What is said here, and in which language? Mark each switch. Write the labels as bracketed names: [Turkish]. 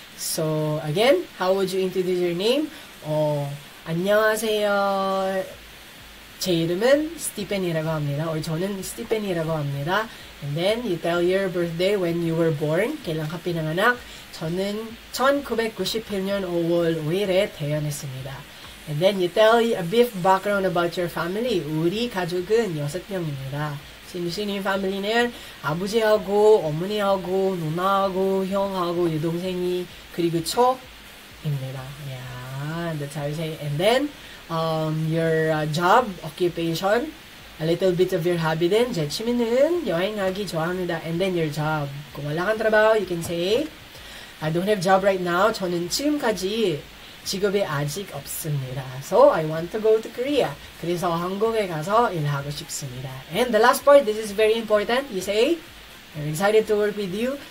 [English] So, again, how would you introduce your name? O, [Korean] annyeonghaseyo, Che irumun Stephen이라고 합니다. [English] Or [Korean] 저는 Stephen이라고 합니다. [English] And then you tell your birthday when you were born. 그냥 카피나나. [Korean] 저는 1991년 5월 5일에 태어났습니다. [English] And then you tell a brief background about your family. [Korean] 우리 가족은 6명입니다. 신신이 family는 아버지하고 어머니하고 누나하고 형하고 여동생이 그리고 저입니다. [English] Yeah, that's how you say. And then your job, occupation, a little bit of your hobby din. [Korean] Jechimin, 여행하기 좋아합니다. And then your job. [English] Kung wala kang trabaho, you can say, I don't have job right now. [Korean] 저는 지금까지 직업이 아직 없습니다. [English] So, I want to go to Korea. [Korean] 그래서 한국에 가서 일하고 싶습니다. [English] And the last part, this is very important. You say, I'm excited to work with you.